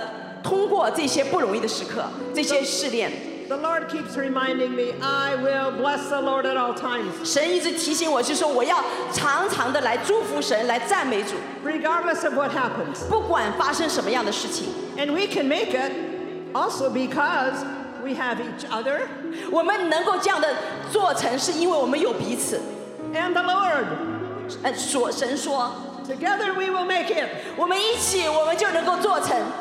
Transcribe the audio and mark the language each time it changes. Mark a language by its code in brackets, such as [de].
[zh] 所以无论在不容易的时刻，他就像大鹰一样的来就是承载我们，通过这些不容易的时刻，这些试炼。 [en] The Lord keeps reminding me, I will bless the Lord at all times. [zh] 神一直提醒我，就说我要常常的来祝福神，来赞美主。 [en] Regardless of what happens. [zh] 不管发生什么样的事情。 [en] And we can make it also because we have each other. [zh] 我们能够这样的做成，是因为我们有彼此。 [en] And the Lord. [zh] 神说。 [en] Together we will make it. [zh] 我们一起，我们就能够做成。